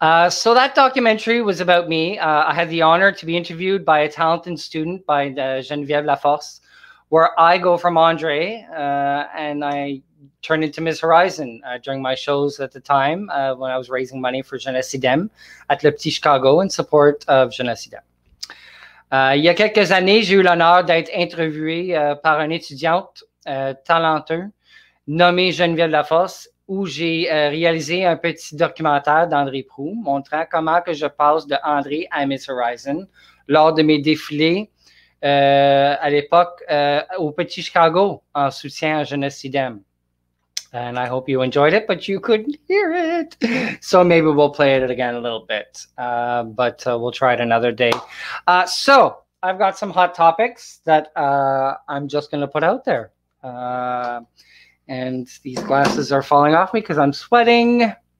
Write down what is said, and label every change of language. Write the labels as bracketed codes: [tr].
[en] So that documentary was about me. I had the honor to be interviewed by a talented student by Geneviève Laforce, where I go from Andre and I turned into Miss Horizon during my shows at the time when I was raising money for Jeunesse Idem at Le Petit Chicago in support of Jeunesse Idem. [fr] Il y a quelques années, j'ai eu l'honneur d'être interviewé par une étudiante talentueuse nommée Geneviève Lafosse, où j'ai réalisé un petit documentaire d'André Prou montrant comment que je passe de André à Miss Horizon lors de mes défilés à l'époque au Petit Chicago en soutien à Jeunesse Idem. [en] And I hope you enjoyed it, but you couldn't hear it. So maybe we'll play it again a little bit, but we'll try it another day. So I've got some hot topics that I'm just going to put out there. And these glasses are falling off me because I'm sweating.